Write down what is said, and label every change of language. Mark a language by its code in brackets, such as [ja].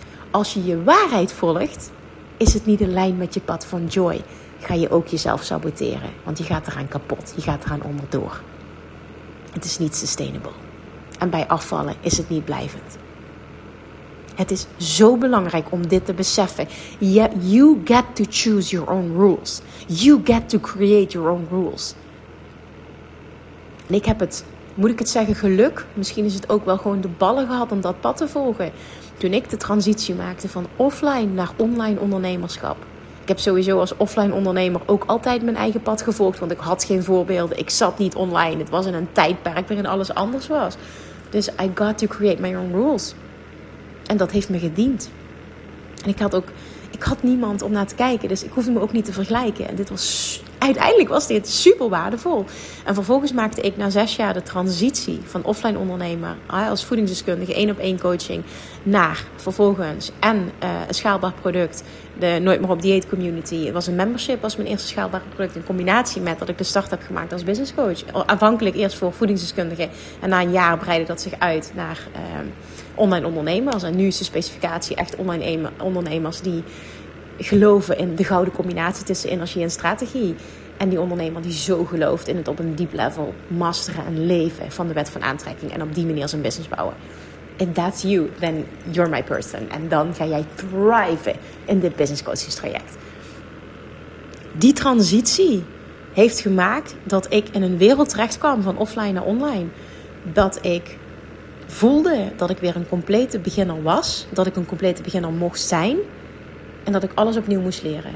[nl] Als je je waarheid volgt, is het niet in lijn met je pad van joy, ga je ook jezelf saboteren. Want je gaat eraan kapot, je gaat eraan onderdoor. Het is niet sustainable. En bij afvallen is het niet blijvend. Het is zo belangrijk om dit te beseffen. [en] You get to choose your own rules. You get to create your own rules. [nl] En ik heb het, moet ik het zeggen, geluk. Misschien is het ook wel gewoon de ballen gehad om dat pad te volgen. Toen ik de transitie maakte van offline naar online ondernemerschap. Ik heb sowieso als offline ondernemer ook altijd mijn eigen pad gevolgd. Want ik had geen voorbeelden. Ik zat niet online. Het was in een tijdperk waarin alles anders was. Dus [en] I got to create my own rules. [nl] En dat heeft me gediend. En ik had niemand om naar te kijken. Dus ik hoefde me ook niet te vergelijken. En dit was, uiteindelijk was dit super waardevol. En vervolgens maakte ik na 6 jaar de transitie van offline ondernemer als voedingsdeskundige, 1-op-1 coaching, naar vervolgens en een schaalbaar product, de Nooit Meer Op Dieet Community. Het was een membership als mijn eerste schaalbare product, in combinatie met dat ik de start heb gemaakt als business coach. Aanvankelijk eerst voor voedingsdeskundigen en na een jaar breidde dat zich uit naar online ondernemers. En nu is de specificatie echt online ondernemers die geloven in de gouden combinatie tussen energie en strategie. En die ondernemer die zo gelooft in het op een diep level masteren en leven van de wet van aantrekking. En op die manier zijn business bouwen. [en] If that's you, then you're my person. [nl] En dan ga jij thriven in dit business coaching traject. Die transitie heeft gemaakt dat ik in een wereld terecht kwam van offline naar online. Dat ik voelde dat ik weer een complete beginner was. Dat ik een complete beginner mocht zijn. En dat ik alles opnieuw moest leren.